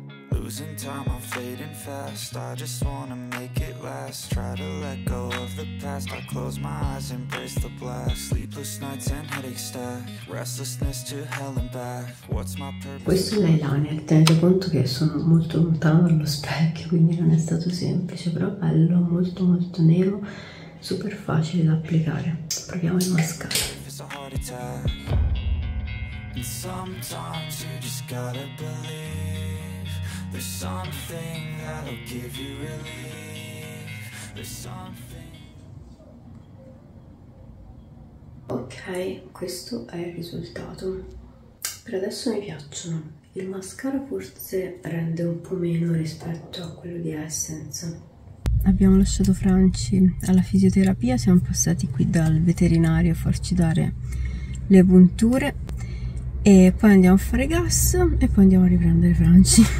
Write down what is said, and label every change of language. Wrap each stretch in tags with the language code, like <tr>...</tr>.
<en>Losing time, I'm fading fast. I just wanna make it last. Try to let go of the past. I close my eyes, embrace the blast. Sleepless nights and headaches stack. Restlessness to hell and back. What's my purpose?</en> <it>Questo è l'eyeliner. Tenete conto che sono molto lontano dallo specchio, quindi non è stato semplice, però bello, molto molto nero, super facile da applicare. Proviamo il mascara.</it> <en>There's something that'll give you relief. There's something.</en> <it>Ok, questo è il risultato. Per adesso mi piacciono. Il mascara forse rende un po' meno rispetto a quello di Essence. Abbiamo lasciato Franci alla fisioterapia, siamo passati qui dal veterinario a farci dare le punture e poi andiamo a fare gas e poi andiamo a riprendere Franci.</it>